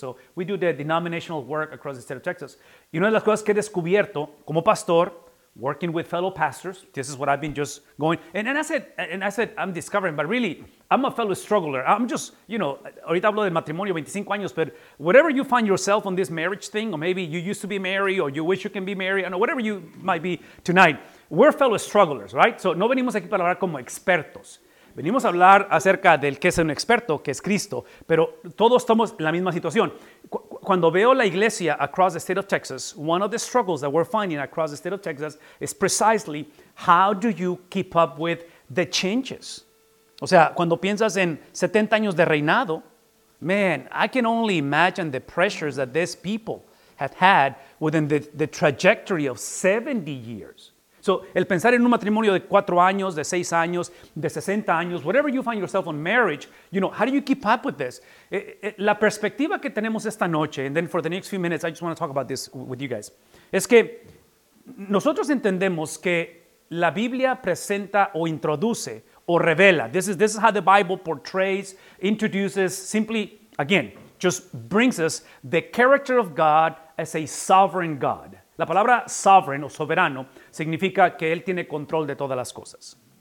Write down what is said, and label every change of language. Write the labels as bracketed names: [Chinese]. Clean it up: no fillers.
[English] So we do the denominational work across the state of Texas. [Spanish] Y una de las cosas que he descubierto como pastor, [English] working with fellow pastors, this is what I've been just going, and I said, I'm discovering, but really, I'm a fellow struggler. I'm just, you know, [Spanish] ahorita hablo del matrimonio, 25 años, [English] but whatever you find yourself on this marriage thing, or maybe you used to be married, or you wish you can be married, or whatever you might be tonight, we're fellow strugglers, right? [Spanish] So no venimos aquí para hablar como expertos. Venimos a hablar acerca del que es un experto, que es Cristo, pero todos estamos en la misma situación. Cuando veo la iglesia [English] across the state of Texas, one of the struggles that we're finding across the state of Texas is precisely how do you keep up with the changes? [Spanish] O sea, cuando piensas en 70 años de reinado, [English] man, I can only imagine the pressures that these people have had within the trajectory of 70 years. [Spanish] So, el pensar en un matrimonio de 4 años, de 6 años, de 60 años, [English] whatever you find yourself on marriage, you know, how do you keep up with this? [Spanish] La perspectiva que tenemos esta noche, [English] and then for the next few minutes, I just want to talk about this with you guys, [Spanish] es que nosotros entendemos que la Biblia presenta o introduce o revela. [English] This is how the Bible portrays, introduces, simply, again, just brings us the character of God as a sovereign God. [Spanish] La palabra sovereign o soberano significa que él tiene control de todas las cosas.